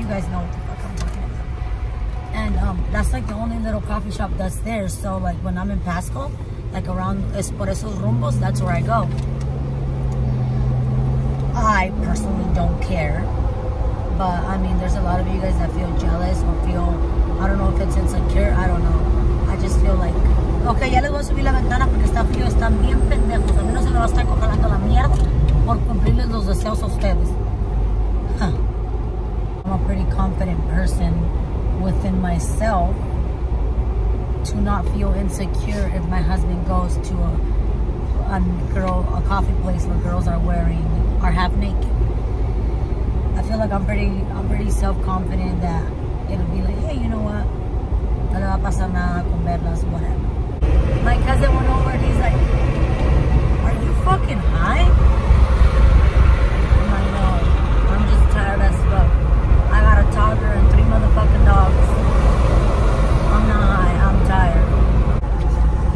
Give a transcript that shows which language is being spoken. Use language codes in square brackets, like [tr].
[en] You guys know what the fuck I'm talking about. And that's like the only little coffee shop that's there. So, like, when I'm in Pasco, like around [es] Es Por Esos Rumbos, [en] that's where I go. I personally don't care. But, I mean, there's a lot of you guys that feel jealous or feel, I don't know if it's insecure, I don't know. I just feel like, okay, [es] ya les voy a subir la ventana porque está frío, están bien pendejos. A mí no se me va a estar congelando la mierda por cumplirles los deseos a ustedes. Huh. [en] I'm a pretty confident person within myself to not feel insecure if my husband goes to a coffee place where girls are half naked. I feel like I'm pretty self-confident that it'll be like, hey, you know what? [es] No le va a pasar nada con verlas, [en] whatever. My cousin went over and he's like, are you fucking high? I'm like, no, I'm just tired as fuck. I got a toddler and three motherfucking dogs. I'm not high, I'm tired.